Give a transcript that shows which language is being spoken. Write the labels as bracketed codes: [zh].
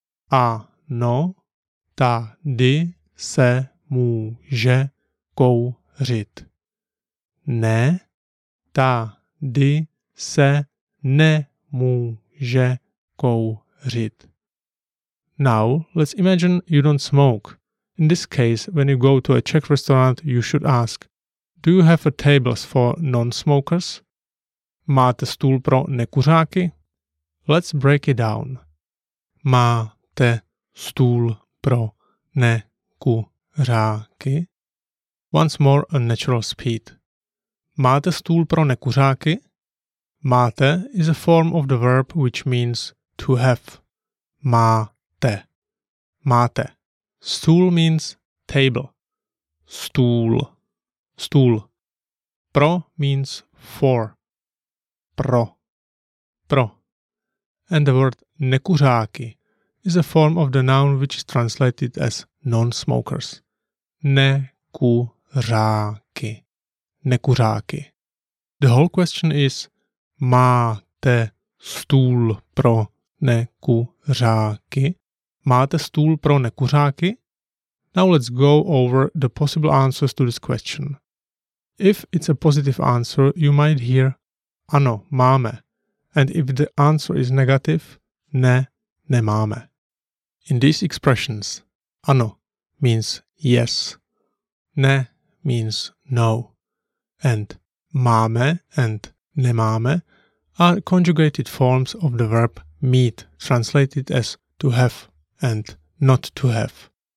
[cs] Ano, tady se může kouřit. Ne, tady se nemůže kouřit. [en] Now, let's imagine you don't smoke. In this case, when you go to a Czech restaurant, you should ask, do you have a table for non-smokers? [cs] Máte stůl pro nekuřáky? [en] Let's break it down. [cs] Máte stůl pro nekuřáky? [en] Once more a natural speed. [cs] Máte stůl pro nekuřáky? [en] Máte is a form of the verb which means to have. [cs] Máte. Máte. Stůl [en] means table. [cs] Stůl. Stůl. Pro [en] means for. [cs] Pro. Pro. [en] And the word nekuřáky is a form of the noun which is translated as non-smokers. [cs] Nekuřáky. Nekuřáky. [en] The whole question is, [cs] máte stůl pro nekuřáky? Máte stůl pro nekuřáky? [en] Now let's go over the possible answers to this question. If it's a positive answer, you might hear [cs] ano, máme. [en] And if the answer is negative, [cs] ne, nemáme. [en] In these expressions, ano means yes, ne means no, and máme and nemáme are conjugated forms of the verb mít, translated as to have and not to have.